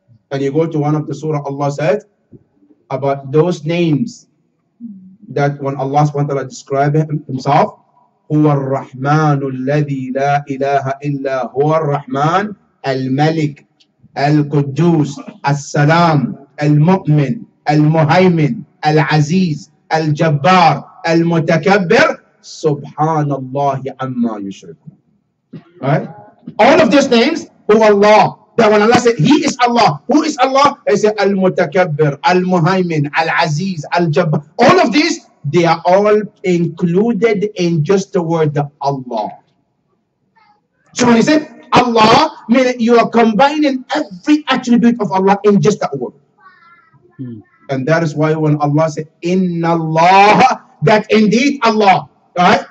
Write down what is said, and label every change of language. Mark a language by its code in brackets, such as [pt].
[en] And you go to one of the surah, Allah said about those names that when Allah subhanahu wa ta'ala described himself, [ar] هو الرحمن الذي لا إله إلا هو الرحمن الملك القدوس السلام المؤمن المهيمن العزيز الجبار المتكبر سبحان الله عما يشركون. [en] Right? All of these names, [ar] هو الله. [en] That when Allah said, He is Allah. Who is Allah? He said, [ar] المتكبر المهيمن العزيز الجبار. [en] All of these, they are all included in just the word Allah. So when he said Allah, meaning you are combining every attribute of Allah in just that word. And that is why when Allah said, Inna Allah, that indeed Allah, right?